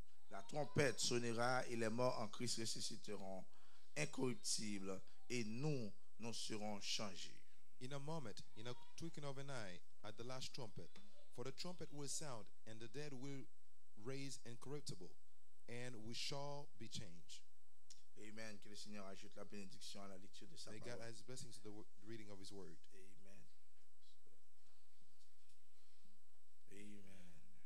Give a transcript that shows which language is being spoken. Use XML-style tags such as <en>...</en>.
<fr>La trompette sonnera et les morts en Christ ressusciteront incorruptibles et nous, nous serons changés.</fr> <en>In a moment, in a twinkling of an eye, at the last trumpet, for the trumpet will sound and the dead will raise incorruptible and we shall be changed. Amen.</en> <fr>Que le Seigneur ajoute la bénédiction à la lecture de sa parole.</fr> <en>May God add his blessings to the reading of his word. Amen. Amen.</en>